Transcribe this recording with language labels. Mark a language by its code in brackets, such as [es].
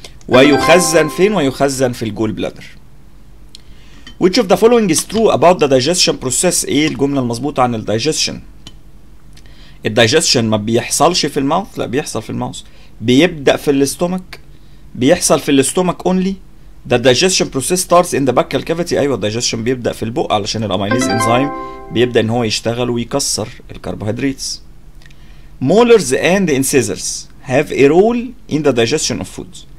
[ar] ويخزن فين؟ ويخزن في الجول بلادر. [en] Which of the following is true about the digestion process؟ [ar] ايه الجملة المظبوطة عن الدايجستشن؟ الدايجستشن ما بيحصلش في الماوث؟ لا بيحصل في الماوث. بيبدأ في الاستومك؟ بيحصل في الاستومك اونلي. [en] The digestion process starts in the buccal cavity. [ar] ايوه الدايجستشن بيبدأ في البق علشان الامايليز انزايم بيبدأ ان هو يشتغل ويكسر الكربوهيدرات. [en] Molars and incisors have a role in the digestion of food.